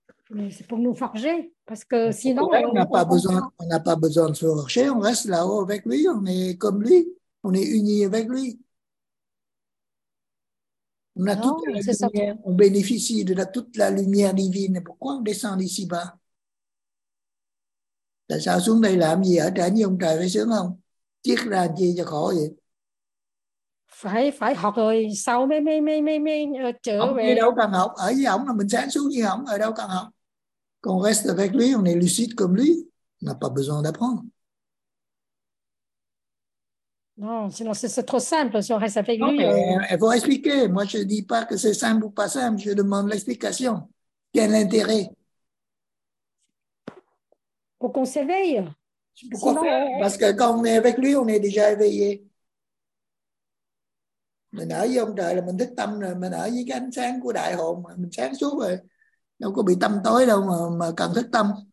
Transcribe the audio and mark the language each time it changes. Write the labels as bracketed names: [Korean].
[French] Mais c'est pour nous forger, parce que sinon... On n'a pas besoin de forger, on reste là-haut avec lui, on est comme lui, on est unis avec lui. On a toute la lumière, on bénéficie de toute la lumière divine, pourquoi on descend ici-bas? [Vietnamese] Tại sao xuống đây làm gì ở trên như ông trời phải sướng không? Chiết ra chi cho khổ vậy? Phải học rồi sau mới trở ông về. Ông đâu cần học, ở với ông là mình sáng xuống như ông, ở đâu cần học. [French] Còn reste avec lui, on est lucide comme lui. On n'a pas besoin d'apprendre. Non, sinon c'est trop simple si on reste avec lui. Il faut expliquer. Moi, je ne dis pas que c'est simple ou pas simple. Je demande l'explication. Quel intérêt? Pour qu'on s'éveille. Pourquoi? Sinon, parce que quand on est avec lui, on est déjà éveillé. [Vietnamese] Mình ở với ông trời là mình thức tâm rồi, mình ở với cái ánh sáng của đại hồn, mình sáng suốt rồi, đâu có bị tâm tối đâu mà cần thức tâm.